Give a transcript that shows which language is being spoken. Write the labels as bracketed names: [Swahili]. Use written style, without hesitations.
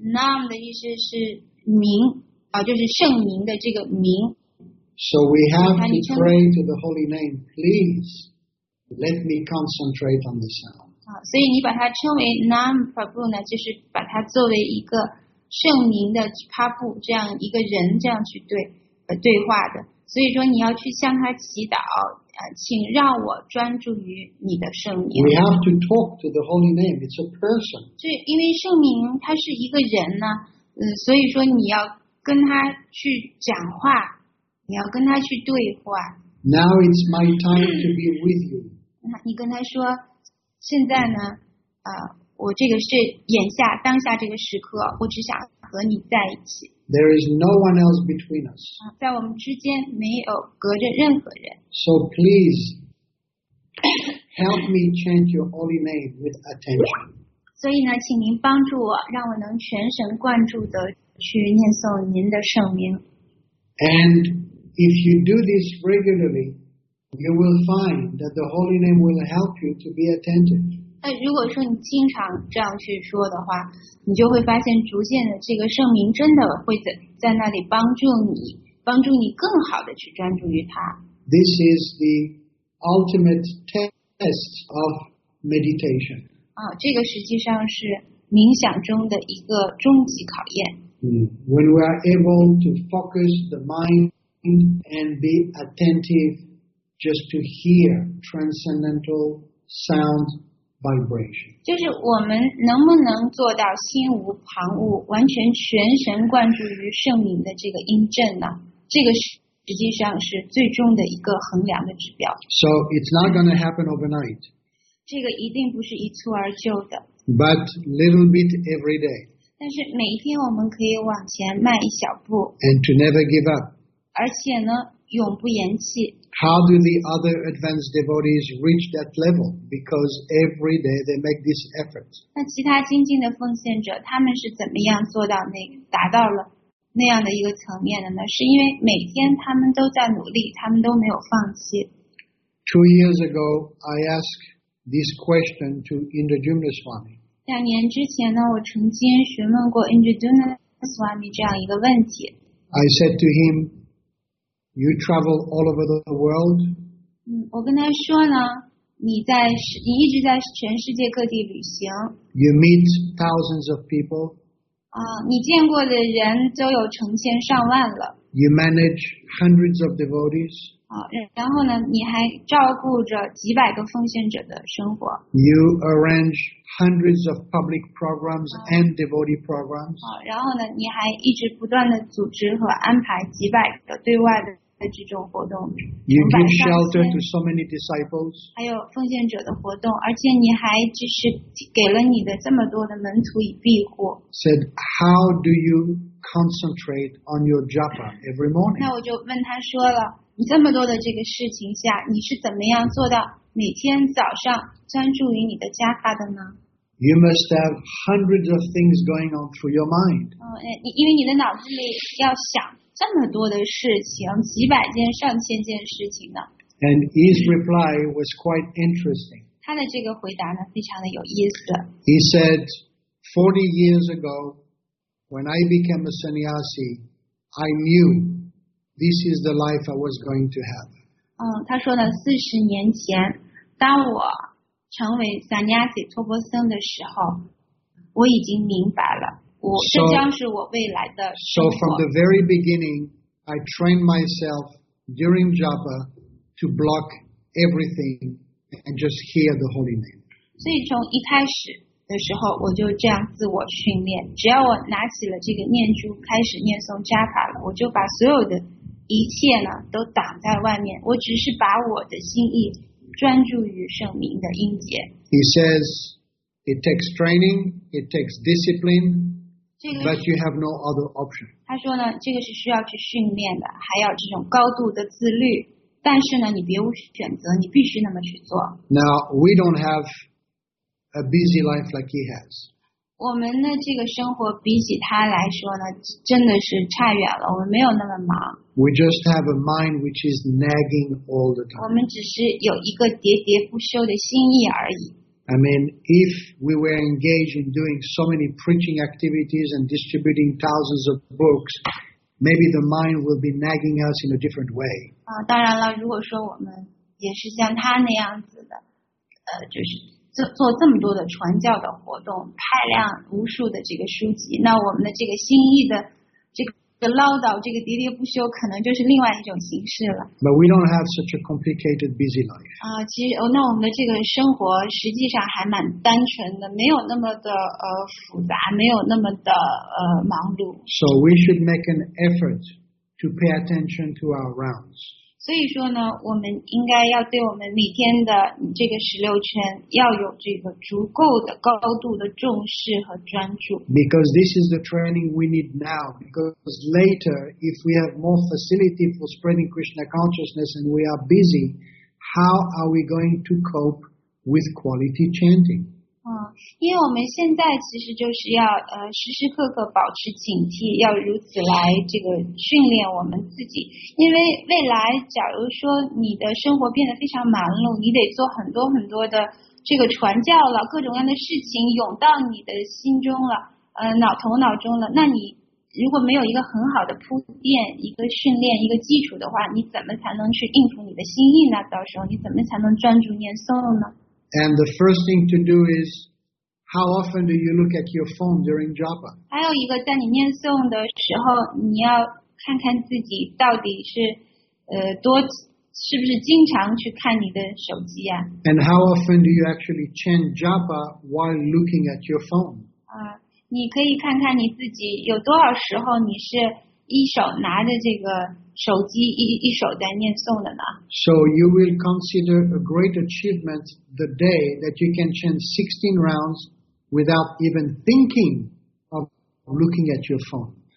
[Chinese] Nam 的意思是名就是圣名的这个名。 [English] So we have to pray to the holy name. Please let me concentrate on the sound. [Chinese] 所以你把它称为 Nam Prabhu 呢，就是把它作为一个圣灵的发布，这样一个人这样去对对话的。所以说你要去向他祈祷，请让我专注于你的圣灵。 [English] We have to talk to the Holy Name. It's a person. [Chinese] 对，因为圣灵他是一个人呢，所以说你要跟他去讲话，你要跟他去对话。 [English] Now it's my time to be with you. [Chinese] 你跟他说，现在呢，我这个是眼下当下这个时刻，我只想和你在一起。 [English] There is no one else between us. [Chinese] 在我们之间没有隔着任何人。 [English] So please help me chant your holy name with attention. [Chinese] 所以呢，请您帮助我，让我能全神贯注的去念诵您的圣名。 [English] And if you do this regularly, you will find that the holy name will help you to be attentive. [Chinese] 那如果说你经常这样去说的话，你就会发现逐渐的这个圣名真的会 在那里帮助你，帮助你更好的去专注于它。 [English] This is the ultimate test of meditation. [Chinese] 啊，这个实际上是冥想中的一个终极考验。 [English] When we are able to focus the mind and be attentive just to hear transcendental soundsVibration. [Chinese] 就是我们能不能做到心无旁骛，完全全神贯注于圣灵的这个音振呢？这个实际上是最终的一个衡量的指标。 [English] So it's not going to happen overnight. [Chinese] 这个一定不是一蹴而就的。 [English] But little bit every day. [Chinese] 但是每一天我们可以往前迈一小步。 [English] And to never give up. [Chinese] 而且呢，永不言弃。 [English] How do the other advanced devotees reach that level? Because every day they make this effort. [Chinese] 那其他精进的奉献者，他们是怎么样做到那达到了那样的一个层面的呢？是因为每天他们都在努力，他们都没有放弃。 [English] 2 years ago, I asked this question to Indrajumna Swami. [Chinese] 两年之前呢，我曾经询问过 Indrajumna Swami 这样一个问题。 [English] I said to him. You travel all over the world. [Chinese] 我跟他说呢，你一直在全世界各地旅行。 [English] You meet thousands of people. [Chinese] 你见过的人都有成千上万了。 [English] You manage hundreds of devotees. [Chinese] 然后呢，你还照顾着几百个奉献者的生活。 [English] You arrange hundreds of public programs and devotee programs. [Chinese] 然后呢，你还一直不断的组织和安排几百个对外的。这种活动 [English] you give shelter to so many disciples. [Chinese] 还有奉献者的活动，而且你还只是给了你的这么多的门徒以庇护。 [English] Said, how do you concentrate on your japa every morning? [Chinese] 那我就问他说了，你这么多的这个事情下，你是怎么样做到每天早上专注于你的加法的呢？ [English] You must have hundreds of things going on through your mind. [Chinese] 因为你的脑子里要想这么多的事情，几百件、上千件事情呢。 [English] And his reply was quite interesting. [Chinese] 他的这个回答呢，非常的有意思。 [English] He said, 40 years ago, when I became a sannyasi, I knew this is the life I was going to have. [Chinese] 他说呢，40年前，当我成为 sannyasi 托钵僧的时候，我已经明白了。 So from the very beginning, I trained myself during japa to block everything and just hear the holy name. 所以从一开始的时候，我就这样自我训练。只要我拿起了这个念珠，开始念诵japa了，我就把所有的一切呢都挡在外面。我只是把我的心意专注于圣名的音节。 [English] He says, it takes training, it takes discipline. But you have no other option. [Chinese] 他说呢，这个是需要去训练的，还要这种高度的自律。但是呢，你别无选择，你必须那么去做。 [English] Now we don't have a busy life like he has. [Chinese] 我们的这个生活比起他来说呢，真的是差远了。我们没有那么忙。 [English] We just have a mind which is nagging all the time. [Chinese] 我们只是有一个喋喋不休的心意而已。 [English] I mean, if we were engaged in doing so many preaching activities and distributing thousands of books, maybe the mind will be nagging us in a different way. [Chinese] 当然了，如果说我们也是像他那样子的，就是做这么多的传教的活动，派量无数的这个书籍，那我们的这个心意的这个唠叨，这个喋喋不休，可能就是另外一种形式了。 [English] But we don't have such a complicated busy life. [Chinese] 啊，其实哦，那我们的这个生活实际上还蛮单纯的，没有那么的复杂，没有那么的忙碌。 [English] So we should make an effort to pay attention to our rounds. [Chinese] 所以说呢，我们应该要对我们每天的这个十六圈要有这个足够的高度的重视和专注。 [English] Because this is the training we need now. Because later, if we have more facility for spreading Krishna consciousness and we are busy, how are we going to cope with quality chanting? [Chinese] 因为我们现在其实就是要时时刻刻保持警惕，要如此来这个训练我们自己。因为未来假如说你的生活变得非常忙碌，你得做很多很多的这个传教了，各种各样的事情涌到你的心中了，头脑中了，那你如果没有一个很好的铺垫，一个训练，一个基础的话，你怎么才能去应付你的心意呢？到时候你怎么才能专注念诵呢？ [English] And the first thing to do is, how often do you look at your phone during japa? [Chinese] 还有一个在你念诵的时候，你要看看自己到底是多是不是经常去看你的手机啊。 [English] And how often do you actually chant japa while looking at your phone? [Chinese] 你可以看看你自己有多少时候你是一手拿着这个手机一手在念诵的呢。 [English] So you will consider a great achievement the day that you can chant 16 rounds without even thinking of looking at your phone.